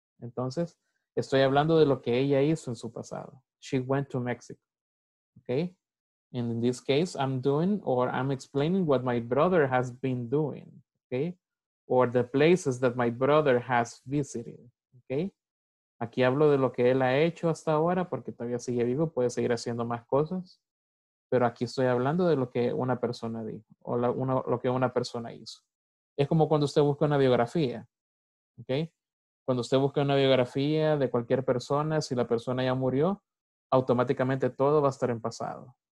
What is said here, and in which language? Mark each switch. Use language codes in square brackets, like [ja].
[es] Entonces, estoy hablando de lo que ella hizo en su pasado. [en] She went to Mexico. ¿Ok? And in this case, I'm doing or I'm explaining what my brother has been doing, okay? Or the places that my brother has visited, okay? [es] Aquí hablo de lo que él ha hecho hasta ahora porque todavía sigue vivo, puede seguir haciendo más cosas. Pero aquí estoy hablando de lo que una persona dijo o lo que una persona hizo. Es como cuando usted busca una biografía, okay? Cuando usted busca una biografía de cualquier persona, si la persona ya murió, automáticamente todo va a estar en pasado.